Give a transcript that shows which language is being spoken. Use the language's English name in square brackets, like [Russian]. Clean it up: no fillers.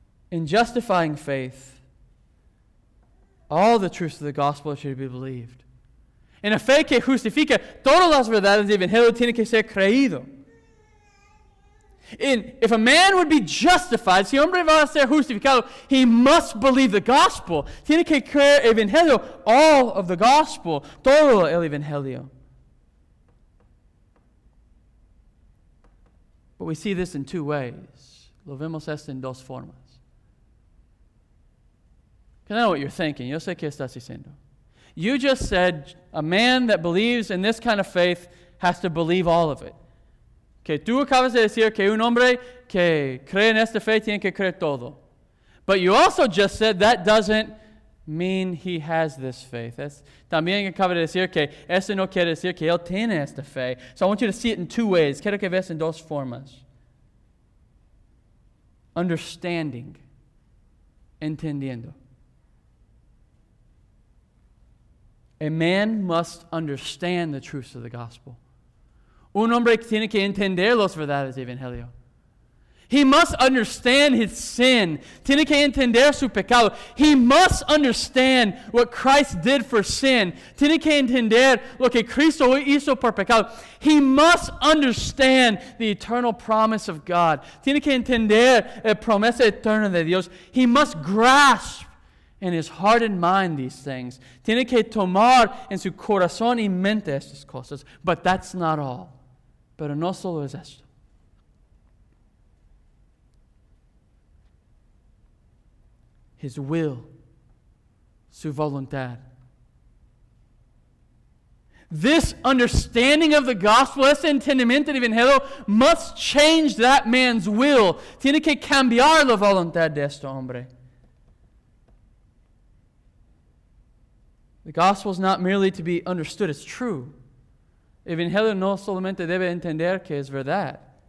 [English] In justifying faith, all the truths of the gospel should be believed. [Spanish] En la fe que justifica, todas las verdades del Evangelio tienen que ser creído. [English] If a man would be justified, [Spanish] si hombre va a ser justificado, [English] he must believe the gospel. [Spanish] Tiene que creer el Evangelio, [English] all of the gospel, [Spanish] todo el Evangelio. [English] But we see this in two ways. [Spanish] Lo vemos esto en dos formas. [English] Because I know what you're thinking. [Spanish] Yo sé qué estás diciendo. [English] You just said a man that believes in this kind of faith has to believe all of it. [Spanish] Que tú acabas de decir que un hombre que cree en esta fe tiene que creer todo. [English] But you also just said that doesn't mean he has this faith. [Spanish] También acabas de decir que eso no quiere decir que él tiene esta fe. [English] So I want you to see it in two ways. [Spanish] Quiero que veas en dos formas. [English] Understanding. entendiendo. A man must understand the truths of the gospel. [Spanish] Un hombre tiene que entender las verdades del evangelio. [English] He must understand his sin. [Spanish] Tiene que entender su pecado. [English] He must understand what Christ did for sin. [Spanish] Tiene que entender lo que Cristo hizo por pecado. [English] He must understand the eternal promise of God. [Spanish] Tiene que entender la promesa eterna de Dios. [English] He must grasp in his heart and mind these things. [Spanish] Tiene que tomar en su corazón y mente estas cosas. [English] But that's not all. [Spanish] Pero no solo es esto. [English] His will, [Spanish] su voluntad. [English] This understanding of the gospel, [Spanish] ese entendimiento del evangelio, [English] must change that man's will. [Spanish] Tiene que cambiar la voluntad de este hombre. [English] The gospel is not merely to be understood, it's true. [Spanish] El evangelio no solamente debe entender que es verdad.